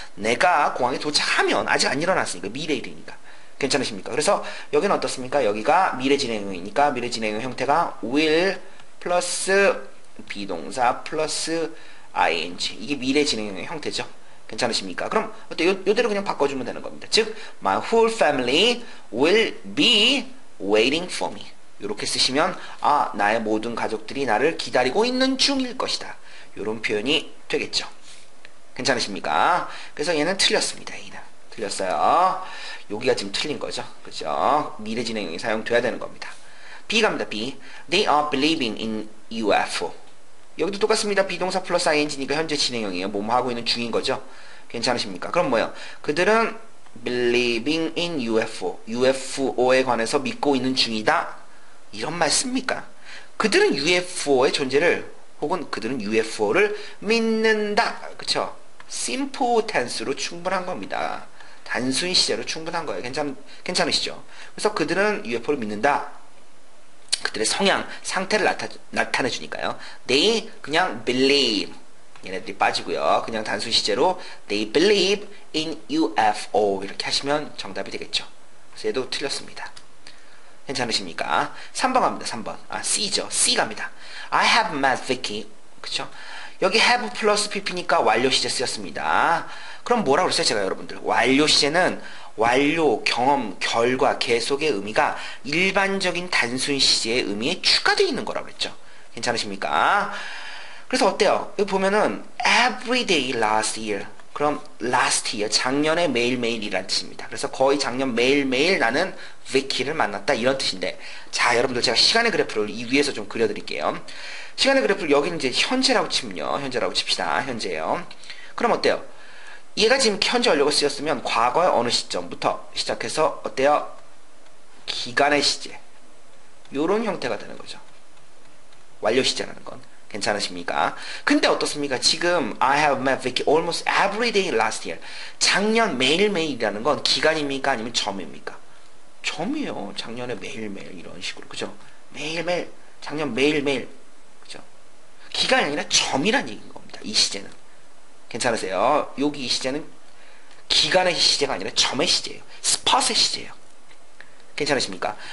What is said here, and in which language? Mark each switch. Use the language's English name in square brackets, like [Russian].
[Korean] 내가 공항에 도착하면 아직 안 일어났으니까, 미래 일이니까. 괜찮으십니까? 그래서 여기는 어떻습니까? 여기가 미래 진행형이니까 미래 진행형 형태가 will 플러스 비동사 플러스 ing. 이게 미래 진행형의 형태죠. 괜찮으십니까? 그럼 어때요? 요대로 그냥 바꿔주면 되는 겁니다. [English] 즉, my whole family will be waiting for me. [Korean] 이렇게 쓰시면 아, 나의 모든 가족들이 나를 기다리고 있는 중일 것이다. 이런 표현이 되겠죠. 괜찮으십니까? 그래서 얘는 틀렸습니다. 얘는 틀렸어요. 여기가 지금 틀린 거죠. 그죠? 미래 진행형이 사용돼야 되는 겁니다. B 갑니다. B. [English] They are believing in UFO. [Korean] 여기도 똑같습니다. 비동사 플러스 ing니까 현재 진행형이에요. 뭐뭐 하고 있는 중인 거죠. 괜찮으십니까? 그럼 뭐예요? 그들은 [English] believing in UFO. [Korean] UFO에 관해서 믿고 있는 중이다. 이런 말 씁니까? 그들은 UFO의 존재를 혹은 그들은 UFO를 믿는다. 그쵸? simple tense로 충분한 겁니다. 단순 시제로 충분한 거예요. 괜찮으시죠? 그래서 그들은 UFO를 믿는다. 그들의 성향, 상태를 나타내주니까요. [English] They [Korean] 그냥 [English] believe. [Korean] 얘네들이 빠지고요. 그냥 단순 시제로 [English] They believe in UFO. [Korean] 이렇게 하시면 정답이 되겠죠. 그래서 얘도 틀렸습니다. 괜찮으십니까? 3번 갑니다. 3번. 아, C죠. C 갑니다. [English] I have met Vicky. [Korean] 그쵸? 여기 have 플러스 PP니까 완료 시제 쓰였습니다. 그럼 뭐라고 그랬어요? 제가 여러분들. 완료 시제는 완료, 경험, 결과, 계속의 의미가 일반적인 단순 시제의 의미에 추가되어 있는 거라고 그랬죠. 괜찮으십니까? 그래서 어때요? 여기 보면은 [English] everyday last year. [Korean] 그럼 last year, 작년에 매일매일이라는 뜻입니다. 그래서 거의 작년 매일매일 나는 Vicky를 만났다 이런 뜻인데, 자, 여러분들 제가 시간의 그래프를 이 위에서 좀 그려드릴게요. 시간의 그래프를 여기는 이제 현재라고 치면요. 현재라고 칩시다. 현재예요. 그럼 어때요? 얘가 지금 현재 완료가 쓰였으면 과거의 어느 시점부터 시작해서 어때요? 기간의 시제. 요런 형태가 되는 거죠. 완료 시제라는 건. 괜찮으십니까? 근데 어떻습니까? 지금 [English] I have met Vicky almost every day last year. [Korean] 작년 매일매일이라는 건 기간입니까? 아니면 점입니까? 점이에요. 작년에 매일매일 이런 식으로. 그죠? 매일매일. 작년 매일매일. 그죠? 기간이 아니라 점이란 얘기인 겁니다. 이 시제는. 괜찮으세요? 여기 이 시제는 기간의 시제가 아니라 점의 시제예요. 스팟의 시제예요. 괜찮으십니까?